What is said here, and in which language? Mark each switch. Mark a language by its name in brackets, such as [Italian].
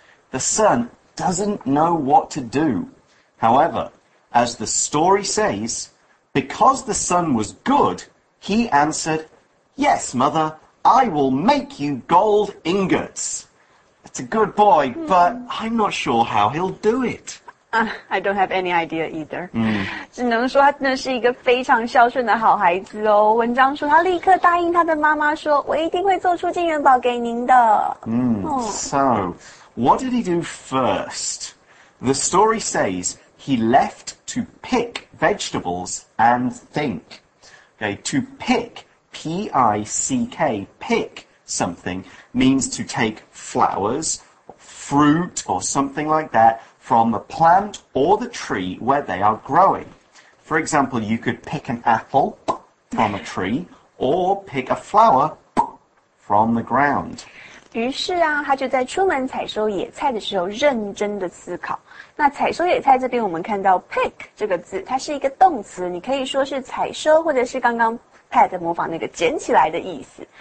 [English] The son doesn't know what to do. However, as the story says, because the son was good, he answered, "Yes, mother, I will make you gold ingots." It's a good boy, but I'm not sure how he'll do it. I don't have any idea either. [Chinese] 只能说他真的是一个非常孝顺的好孩子哦。文章说他立刻答应他的妈妈说，我一定会做出金元宝给您的。 [English] So, what did he do first? The story says he left to pick vegetables and think. Okay, to pick, P-I-C-K, pick something, means to take flowers, fruit, or something like that,from the plant or the tree where they are growing. For example, you could pick an apple from a tree or pick a flower from the ground. [Chinese] 于是啊，他就在出门采收野菜的时候认真的思考。那采收野菜这边我们看到 pick 这个字，它是一个动词，你可以说是采收或者是刚刚Pat 模仿那个捡起来的意思。